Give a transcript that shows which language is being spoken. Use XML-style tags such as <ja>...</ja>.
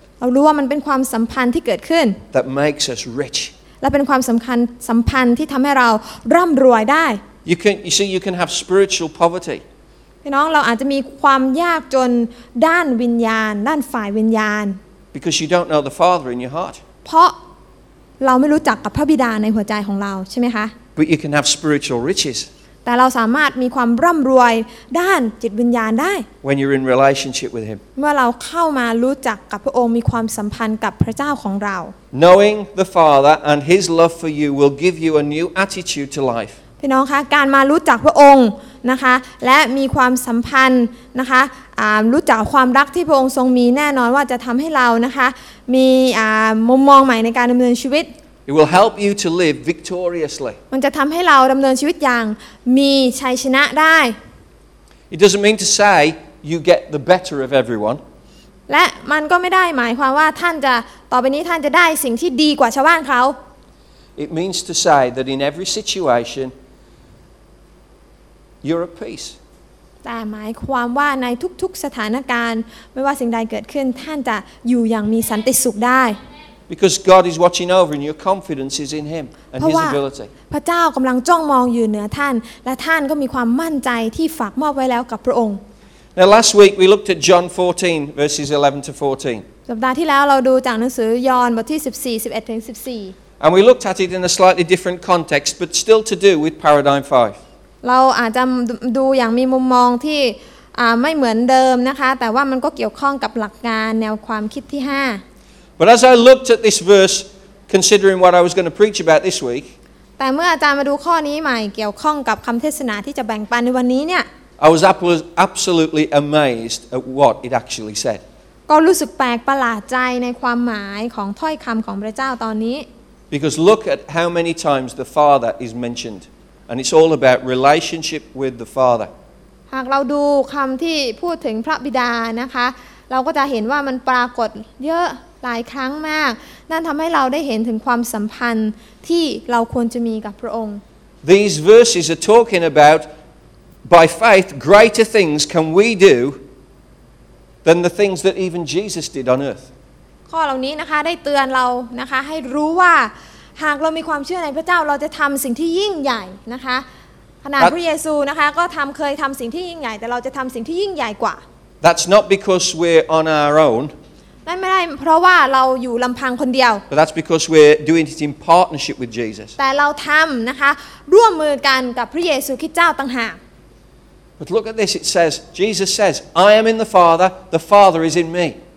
<th>เรารู้ว่ามันเป็นความสัมพันธ์ที่เกิดขึ้น</th> <en>That makes us rich</en> <th>และเป็นความสำคัญสัมพันธ์ที่ทำให้เราร่ำรวยได้</th> <en>You can have spiritual poverty</en> <th>พี่น้องเราอาจจะมีความยากจนด้านวิญญาณด้านฝ่ายวิญญาณ</th> <en>Because you don't know the Father in your heart</en> <th>เพราะเราไม่รู้จักกับพระบิดาในหัวใจของเราใช่ไหมคะ</th> <en>But you can have spiritual riches</en> <th>แต่เราสามารถมีความร่ำรวยด้านจิตวิญญาณได้</th> <en>When you're in relationship with him</en> <th>เมื่อเราเข้ามารู้จักกับพระองค์มีความสัมพันธ์กับพระเจ้าของเรา</th> <en>Knowing the Father and His love for you will give you a new attitude to life</en> <th>พี่น้องคะการมารู้จักพระองค์นะคะและมีความสัมพันธ์นะคะรู้จักความรักที่พระองค์ทรงมีแน่นอนว่าจะทำให้เรานะคะมีมุมมองใหม่ในการดำเนินชีวิต</th> <en>It will help you to live victoriously</en> <th>มันจะทำให้เราดำเนินชีวิตอย่างมีชัยชนะได้</th> <en>It doesn't mean to say you get the better of everyone</en> <th>และมันก็ไม่ได้หมายความว่าท่านจะต่อไปนี้ท่านจะได้สิ่งที่ดีกว่าชาวบ้านเขา</th> <en>It means to say that in every situation you're at peace</en> <th>แต่หมายความว่าในทุกๆสถานการณ์ไม่ว่าสิ่งใดเกิดขึ้นท่านจะอยู่อย่างมีสันติสุขได้</th> <en>Because God is watching over and your confidence is in him and his ability</en> <th>พระเจ้ากำลังจ้องมองอยู่เหนือท่านและท่านก็มีความมั่นใจที่ฝากมอบไว้แล้วกับพระองค์</th> <en>Now last week we looked at John 14 verses 11 to 14.</en> <th>สัปดาห์ที่แล้วเราดูจากหนังสือยอห์นบทที่14 11ถึง14.</th> <en>And we looked at it in a slightly different context but still to do with paradigm 5.</en> <th>เราอาจจะดูอย่างมีมุมมองที่ไม่เหมือนเดิมนะคะแต่ว่ามันก็เกี่ยวข้องกับหลักการแนวความคิดที่5.</th> <en>But as I looked at this verse considering what I was going to preach about this week.</en> <th>แต่เมื่ออาจารย์มาดูข้อนี้ใหม่เกี่ยวข้องกับคำเทศนาที่จะแบ่งปันในวันนี้เนี่ย</th> <en>I was absolutely amazed at what it actually said.</en> <th>ก็รู้สึกแปลกประหลาดใจในความหมายของถ้อยคำของพระเจ้าตอนนี้</th> <en>Because look at how many times the Father is mentioned, and it's all about relationship with the Father.</en> <th>หากเราดูคำที่พูดถึงพระบิดานะคะเราก็จะเห็นว่ามันปรากฏเยอะหลายครั้งมากนั่นทำให้เราได้เห็นถึงความสัมพันธ์ที่เราควรจะมีกับพระองค์</th> <en>These verses are talking aboutBy faith, greater things can we do than the things that even Jesus did on earth.</en> <th>ข้อเหล่านี้นะคะได้เตือนเรานะคะให้รู้ว่าหากเรามีความเชื่อในพระเจ้าเราจะทำสิ่งที่ยิ่งใหญ่นะคะขนาดพระเยซูนะคะก็ทำเคยทำสิ่งที่ยิ่งใหญ่แต่เราจะทำสิ่งที่ยิ่งใหญ่กว่า</th> <en>That's not because we're on our own.</en> <th>นั่นไม่ได้เพราะว่าเราอยู่ลำพังคนเดียว</th> <en>But that's because we're doing it in partnership with Jesus.</en> <th>แต่เราทำนะคะร่วมมือกันกับพระเยซูคริสต์เจ้าต่างหาก</th> <en>But look at this, it says, Jesus says, I am in the Father is in me.</en>